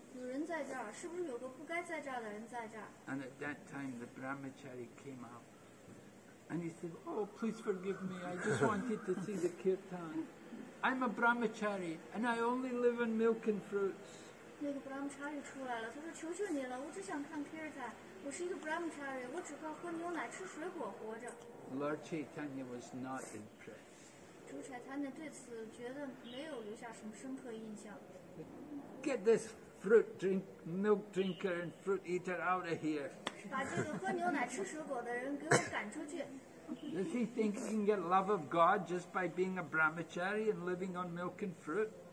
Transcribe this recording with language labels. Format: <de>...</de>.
<zh>有人在这儿，是不是有个不该在这儿的人在这儿？</zh> <en>And at that time, the brahmachari came out, and he said, "Oh, please forgive me. I just wanted to see the kirtan." I'm a brahmachari and I only live on milk and fruits.</en> <zh>那个brahmachari出来了，他说求求你了，我只想看Kirtan，我是一个brahmachari，我只靠喝牛奶吃水果活着。</zh> <en>Lord Chaitanya was not impressed.</en> <zh>主Chaitanya对此觉得没有留下什么深刻印象。</zh> <en>Get this fruit drink, milk drinker and fruit eater out of here.</en> <zh>把这个喝牛奶吃水果的人给我赶出去。</zh> <en>Does he think he can get love of God just by being a brahmachari and living on milk and fruit?</en>